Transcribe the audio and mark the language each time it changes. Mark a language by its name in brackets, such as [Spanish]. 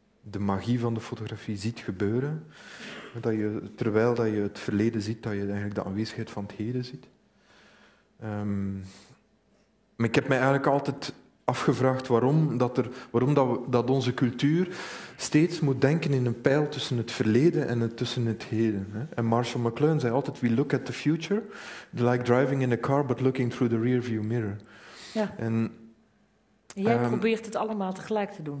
[Dutch] de magie van de fotografie ziet gebeuren. Dat je, terwijl dat je het verleden ziet, dat je eigenlijk de aanwezigheid van het heden ziet. Maar ik heb mij eigenlijk altijd afgevraagd waarom onze cultuur steeds moet denken in een pijl tussen het verleden en tussen het heden. Hè. En Marshall McLuhan zei altijd, [English] we look at the future, like driving in a car, but looking through the rearview mirror. [Dutch] Ja. En jij probeert het allemaal tegelijk te doen.